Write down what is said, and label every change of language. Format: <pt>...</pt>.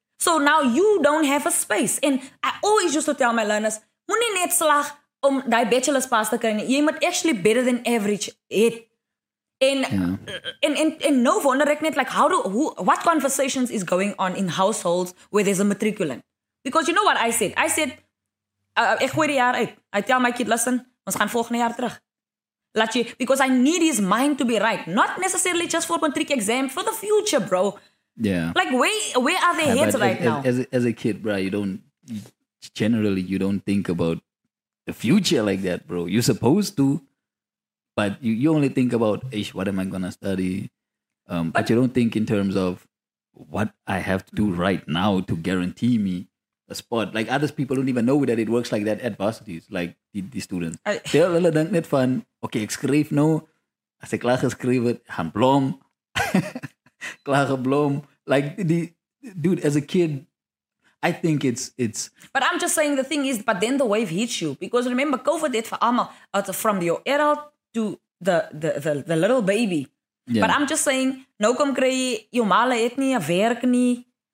<en>So now you don't have a space. And I always used to tell my learners,</en> <af>moenie net slag om die bachelor's pass te kry.</af> <en>Jy moet actually better than average het. And no wonder</en> <af>ek net,</af> <en>like, what conversations is going on in households where there's a matriculant? Because you know what I said? I said,</en> <af>ek gooi die jaar uit.</af> <en>I tell my kid, listen,</en> <af>ons gaan volgende jaar terug.</af> <en>Because I need his mind to be right. Not necessarily just for matric exam, for the future, bro. Yeah. Like, where are their heads now? As a kid, bro, you don't think about the future like that, bro. You're supposed to, but you only think about, ish, what am I going to study? But you don't think in terms of what I have to do right now to guarantee me a spot. Like, other people don't even know that it works like that at varsities, like the students. They're a little bit fun. Okay,</en> <af>ek skryf nou. As ek klaar geskryf het, gaan blom. Klaar geblom.</af> <en>Like, dude, as a kid, I think it's... But I'm just saying, the thing is, but then the wave hits you. Because remember, COVID hit for allemaal, from your adult to the little baby. Yeah. But I'm just saying,</en> <af>nou kom kry jy, jou male het nie, werk nie.</af>